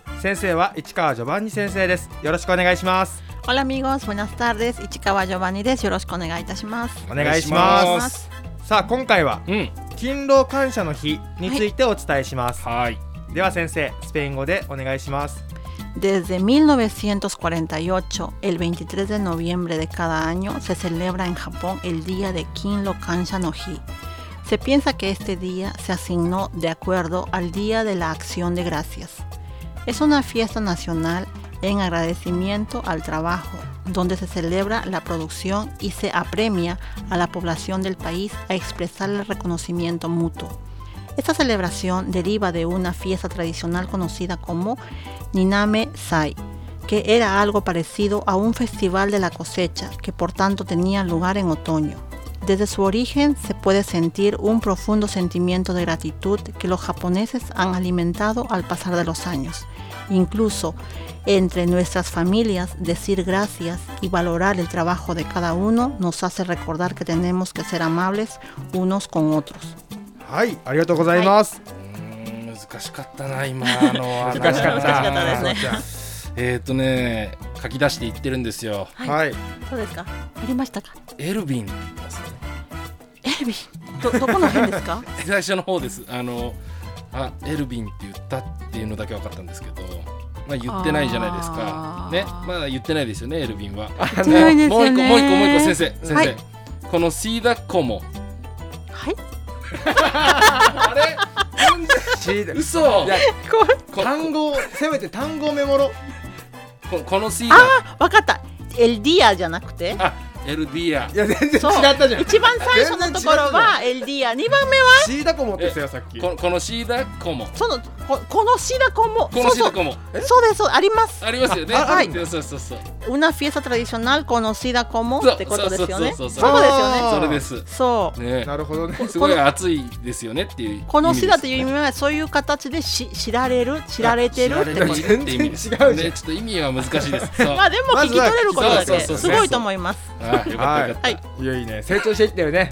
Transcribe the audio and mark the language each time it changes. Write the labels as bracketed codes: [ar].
[ja] 先生は市川ジョバンニ先生です。よろしくお願いします。ホラミゴスフナスタールです。市川ジョバンニです。よろしくお願いいたします。お願いします。さあ今回は、勤労感謝の日についてお伝えします。はい、では先生スペイン語でお願いします。 [es] Desde 1948, el 23 de noviembre de cada año se celebra en Japón el Día de Kinro Kansha no Hi. Se piensa que este día se asignó de acuerdo al Día de la Acción de Gracias. Es una fiesta nacional en agradecimiento al trabajo, donde se celebra la producción y se apremia a la población del país a expresar el reconocimiento mutuo. Esta celebración deriva de una fiesta tradicional conocida como Niname Sai, que era algo parecido a un festival de la cosecha que por tanto tenía lugar en otoño. Desde su origen se puede sentir un profundo sentimiento de gratitud que los japoneses han alimentado al pasar de los años. Incluso entre nuestras familias, decir gracias y valorar el trabajo de cada uno nos hace recordar que tenemos que ser amables unos con otros. [ja] はい、ありがとうございます、はい、難しかったな今のは。難しかったですね。書き出していってるんですよ。はい、そうですか、入れましたか。エルビンです、ね、エルビン どこの辺ですか最初の方です。あエルビンって言ったっていうのだけ分かったんですけど、まあ、言ってないじゃないですか、ね、まだ言ってないですよね。エルビンは言ってないですよね。もう一個先生、はい、このシーダッコも、はい、あれ全然嘘。いや、単語せめて単語メモロ。このシーダ、あー分かった、エルディアじゃなくて、あエルディア。いや全然違ったじゃん。一番最初のところはエルディア、二番目はシーダコモって言ってたよさっき。このシーダコモ、そのこのシーダコモ、このシーダコモ、そうです、あります、ありますよね。はい、そう、 [es] una fiesta tradicional conocida como [ja] ってことですよね。そうですよね。それです。そう、ね、なるほどね。すごい熱いですよねっていう、このシーダという意味はそういう形で知られる、知られてるって意味です。全然違うじゃん、ね、ちょっと意味は難しいです。まあでも聞き取れることだけすごいと思います。はい、良いね、成長していってるね。